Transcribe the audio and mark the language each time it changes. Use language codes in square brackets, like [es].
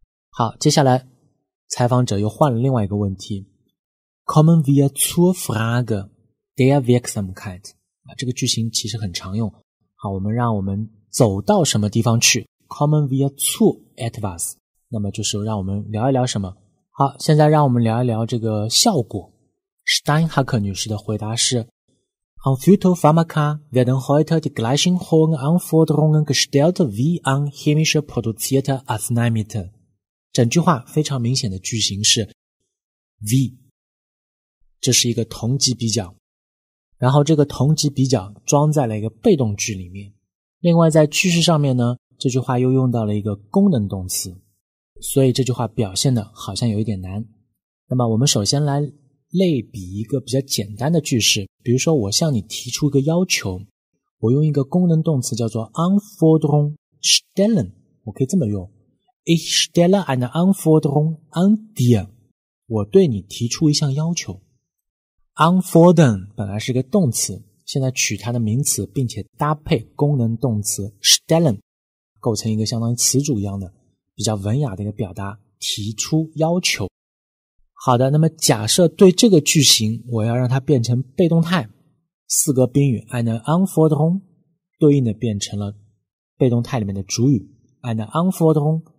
[zh] 好，接下来 采访者又换了另外一个问题， [de] Kommen wir zur Frage der Wirksamkeit， [zh] 这个句型其实很常用。好，我们让我们走到什么地方去， [de] Kommen wir zu etwas， [zh] 那么就是让我们聊一聊什么。好，现在让我们聊一聊这个效果。 Steinhacker女士的回答是， [de] An Phytopharmaka werden heute die gleichen hohen Anforderungen gestellt wie an chemische produzierte Arzneimittel。 [zh] 整句话非常明显的句型是 V， 这是一个同级比较，然后这个同级比较装在了一个被动句里面。另外在句式上面呢，这句话又用到了一个功能动词，所以这句话表现的好像有一点难。那么我们首先来类比一个比较简单的句式，比如说我向你提出一个要求，我用一个功能动词叫做 Anforderung stellen， 我可以这么用。 [de] Ich stelle eine Anforderung an dir， [zh] 我对你提出一项要求。 Anfordern 本来是个动词， 现在取它的名词， 并且搭配功能动词 stellen， 构成一个相当于词组一样的， 比较文雅的一个表达， 提出要求。好的，那么假设对这个句型， 我要让它变成被动态， 四个宾语 eine Anforderung， 对应的变成了被动态里面的主语 eine Anforderung。